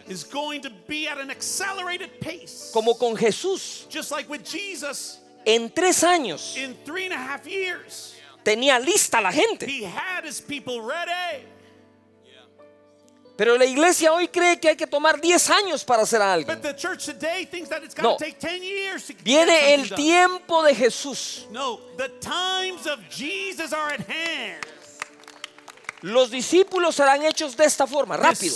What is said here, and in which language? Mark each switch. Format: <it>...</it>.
<en>Is going to be at an accelerated pace.</en> <es>Como con Jesús.</es> <en>Just like with Jesus.</en> <es>En 3 años.</es> <en>In 3.5 years.</en> <es>Tenía lista la gente.</es> <en>He had his people ready.</en> <es>Pero la iglesia hoy cree que hay que tomar 10 años para hacer algo.</es> <en>But the church today thinks that it's got to take 10 years to get</en> <es>Viene el tiempo de Jesús.</es> <en>No, the times of Jesus are at hand.</en> <es>Los discípulos serán hechos de esta forma, rápido.</es>